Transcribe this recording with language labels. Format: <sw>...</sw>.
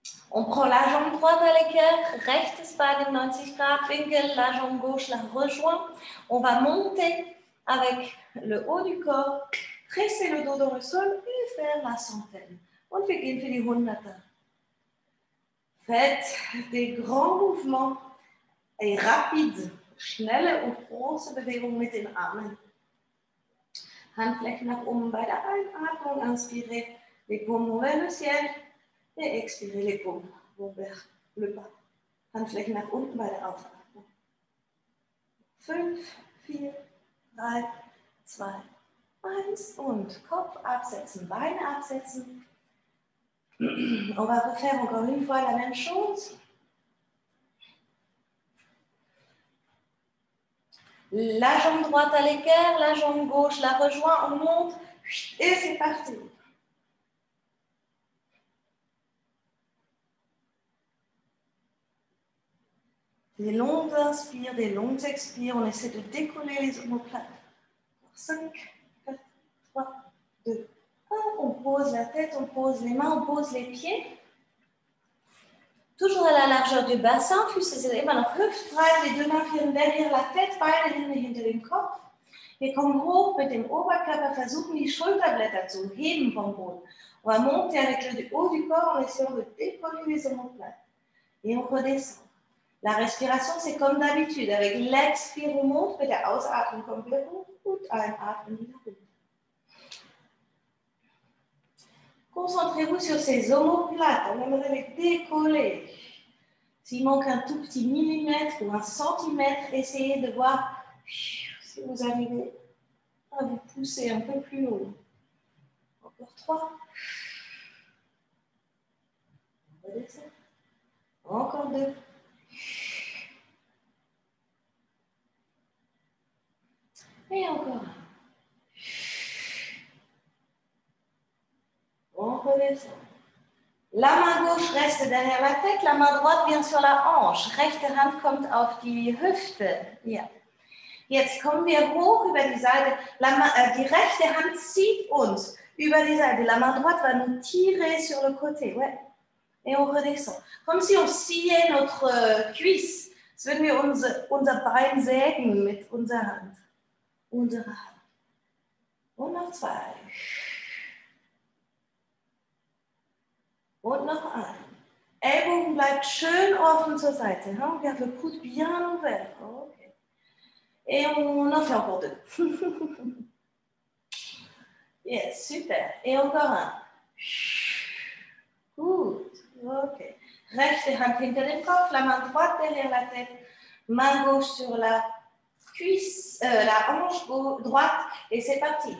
<fr>On prend la jambe droite à l'équerre,</fr> <de>rechtes Bein in 90 Grad, Winkel,</de> <fr>la jambe gauche la rejoint. On va monter avec le haut du corps, presser le dos dans le sol et faire la centaine.</fr> <de>Und wir gehen für die Hunderter.</de> <fr>Faites des grands mouvements et rapides,</fr> <de>schnelle und große Bewegungen mit den Armen. Handflächen nach oben bei der Einatmung,</de> <fr>inspirez les paumes vers le ciel. Et expirez les paumes vers le bas.</fr> <de>Handflächen nach unten bei der Ausatmung. 5, 4, 3, 2, 1. Und Kopf absetzen, Beine absetzen.</de> <fr>On va refaire encore une fois la même chose. La jambe droite à l'équerre, la jambe gauche la rejoint, on monte. Et c'est parti. Des longues inspires, des longues expires. On essaie de décoller les omoplates. 5, 4, 3, 2, 1. On pose la tête, on pose les mains, on pose les pieds. Toujours à la largeur du bassin.</fr> <de>Füße sind immer noch hüftbreit.</de> <fr>Les deux mains viennent derrière la tête.</fr> <de>Beide Hände hinter dem Kopf. Wir kommen hoch mit dem Oberkörper. Versuchen die Schulterblätter zu heben vom Boden.</de> <fr>On va monter avec le haut du corps en essayant de décoller les omoplates. Et on redescend. La respiration, c'est comme d'habitude. Avec l'expire, on monte,</fr> <de>mit der Ausatmung kommt wieder hoch und einatmen wieder hoch.</de> <fr>Concentrez-vous sur ces omoplates. On aimerait les décoller. S'il manque un tout petit millimètre ou un centimètre, essayez de voir si vous arrivez à vous pousser un peu plus haut. Encore trois. On va descendre. Encore deux. Et encore un. On redescend. La main gauche reste derrière la tête, la main droite vient sur la hanche.</fr> <de>Rechte Hand kommt auf die Hüfte. Ja. Jetzt kommen wir hoch über die Seite. Die rechte Hand zieht uns über die Seite.</de> <fr>La main droite va nous tirer sur le côté. Ouais. Et on redescend. Comme si on sciait notre cuisse.</fr> <de>Als würden wir unser Bein sägen mit unserer Hand. Unsere Hand. Und noch zwei. Und noch ein. Ellbogen bleibt schön offen zur Seite. Hein?</de> <fr>On garde le coude bien ouvert. Okay. Et on en fait encore deux. Yes, super. Et encore un.</fr> <en>Good. Ok.</en> <de>Rechte Hand hinter dem Kopf,</de> <fr>la main droite derrière la tête, main gauche sur la cuisse, la hanche droite, et c'est parti.</fr>